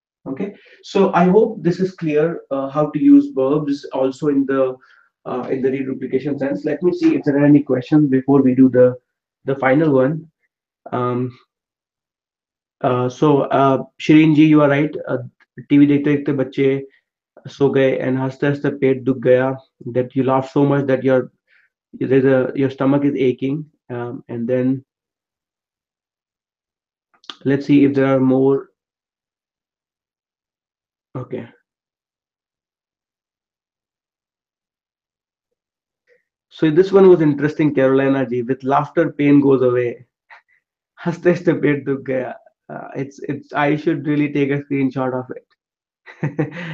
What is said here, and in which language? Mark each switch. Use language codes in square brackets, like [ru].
[en] Okay, so I hope this is clear how to use verbs also in the reduplication sense. Let me see if there are any questions before we do the final one. Shireen ji, you are right. [hi] TV देखते देखते बच्चे सो गए and हंसते हंसते पेट दुख गया. [en] That you laugh so much that your stomach is aching and then let's see if there are more. Okay. So this one was interesting, Carolina ji. With laughter, pain goes away. [hi] Haste haste pet duk gaya. [en] It's I should really take a screenshot of it.